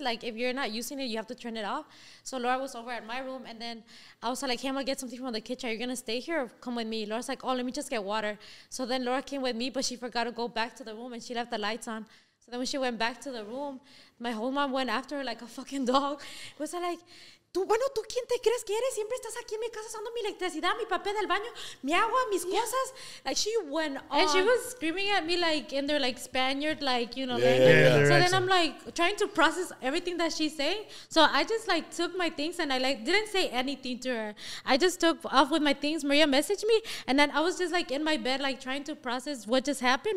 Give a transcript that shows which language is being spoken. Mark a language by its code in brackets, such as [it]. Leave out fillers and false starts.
[en] Like if you're not using it, you have to turn it off. So Laura was over at my room, and then I was like, hey, I'm gonna get something from the kitchen. Are you gonna stay here or come with me? Laura's like, oh, let me just get water. So then Laura came with me, but she forgot to go back to the room and she left the lights on. So then when she went back to the room, my whole mom went after her like a fucking dog. Was like, [es] tú, bueno, ¿tú quién te crees que eres? Siempre estás aquí en mi casa usando mi electricidad, mi papel del baño, mi agua, mis cosas. [en] Like, she went on. And she was screaming at me, like, in their, like, Spaniard, like, you know. Yeah, like, yeah, yeah. So accent. Then I'm, like, trying to process everything that she's saying. So I just, like, took my things and I, like, didn't say anything to her. I just took off with my things. Maria messaged me. And then I was just, like, in my bed, like, trying to process what just happened.